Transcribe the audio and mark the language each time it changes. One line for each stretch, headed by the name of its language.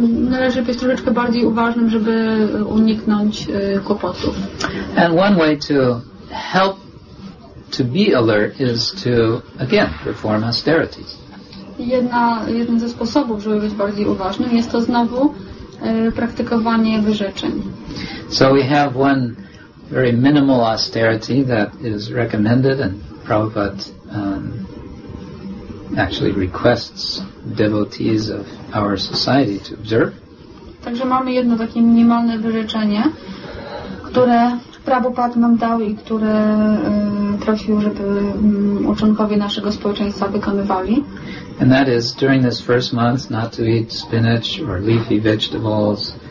Polish: Należy być troszeczkę bardziej uważnym, żeby uniknąć kłopotów.
English: And one way to help to be alert is to again perform austerities.
Polish: Jeden ze sposobów, żeby być bardziej uważnym, jest to znowu praktykowanie wyrzeczeń.
English: So we have one very minimal austerity that is recommended and Prabhupada actually requests devotees of our society to observe.
Polish: Także mamy jedno takie minimalne wyrzeczenie, które Prabhupada nam dał i które prosił, żeby uczonkowie naszego społeczeństwa wykonywali.
English: And that is during this first month not to eat spinach or leafy vegetables.